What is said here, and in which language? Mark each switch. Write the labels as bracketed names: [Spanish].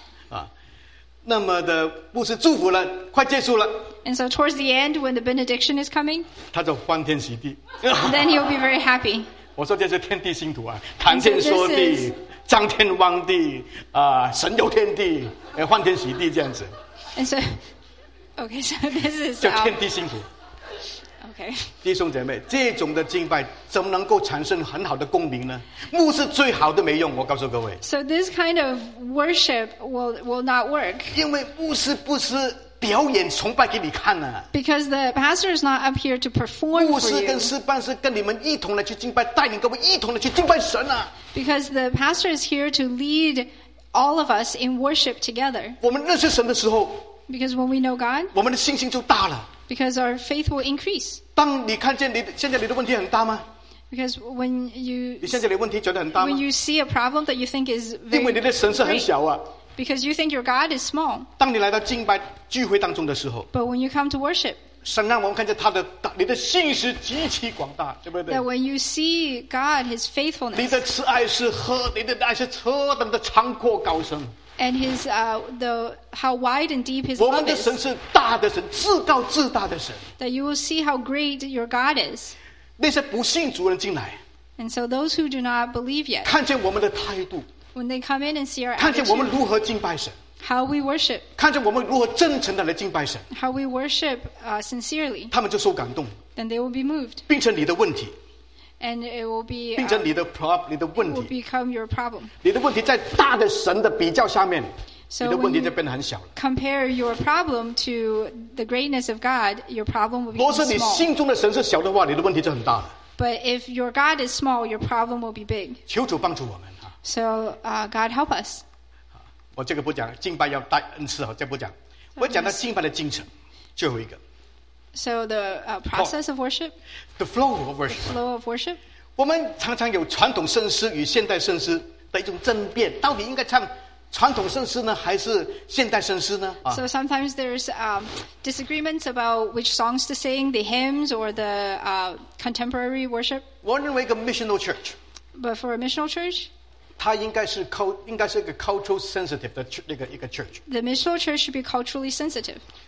[Chinese] 啊, 那么的牧师祝福了, 快结束了, [English] and so towards the end, when the benediction is coming, [Chinese] 他就欢天喜地, [English] then he'll be very happy. [Chinese] 我说这是天地信徒啊, 谈天说地, 张天望地, 啊, 神游天地, 欢天喜地, 这样子。 [English] And so, okay, so this is [Chinese] 叫天地信徒。弟兄姐妹, 这种的敬拜, 怎么能够产生很好的共鸣呢? 牧师最好的没用, 我告诉各位。 [English] So this kind of worship will not work. [Chinese] 因为牧师不是表演崇拜给你看啊。 [English] Because the pastor is not up here to perform for you. [Chinese] 牧师跟司办是跟你们一同来去敬拜, 带领各位一同来去敬拜神啊。 [English] Because the pastor is here to lead all of us in worship together. [Chinese] 我们认识神的时候, [English] Because when we know God, [Chinese] 我们的信心就大了。 [English] Because our faith will increase. [Chinese] 当你看见你现在你的问题很大吗? [English] Because when you [Chinese] 你现在你的问题觉得很大吗? [English] When you see a problem that you think is very [Chinese] 因为你的神是很小啊。 [English] Because you think your God is small. [Chinese] 当你来到敬拜聚会当中的时候, [English] But when you come to worship, [Chinese] 神让我们看见他的你的信实极其广大, 对不对? [English] That when you see God, His faithfulness, [Chinese] 你的慈爱是何等的长阔高深。 [English] And his how wide and deep his love is. [Chinese] 我们的神是大的神, 至高至大的神。 [English] That you will see how great your God is. [Chinese] 那些不信主人进来, [English] and so those who do not believe yet, [Chinese] 看见我们的态度, [English] when they come in and see our [Chinese] 看见我们如何敬拜神, [English] attitude, how we worship, [Chinese] 看见我们如何真诚地来敬拜神, [English] how we worship sincerely, [Chinese] 他们就受感动, [English] then they will be moved. [Chinese] 变成你的问题, [English] And it will be [Chinese] 变成你的 你的问题, [English] it will become your problem. [Chinese] 你的问题在大的神的比较下面, [English] so [Chinese] 你的问题就变得很小了。 [English] Compare your problem to the greatness of God, your problem will become small. [Chinese] 如果是你心中的神是小的话, 你的问题就很大了。 [English] But if your God is small, your problem will be big. [Chinese] 求主帮助我们, [English] so God help us. [Chinese] 我这个不讲, 敬拜要带恩赐, 这不讲, [English] so [Chinese] 我讲到敬拜的进程, 最后一个。 [English] So the process of worship, the flow of worship. The flow of worship. [Chinese] 我们常常有传统圣诗与现代圣诗的一种争辩，到底应该唱传统圣诗呢，还是现代圣诗呢？ [English] So sometimes there's disagreements about which songs to sing, the hymns or the contemporary worship. [Chinese] 我认为一个 [English] missional church. But for a missional church, [Chinese] 它应该是个 [English] cultural sensitive [Chinese] 的一个 church. [English] The missional church should be culturally sensitive.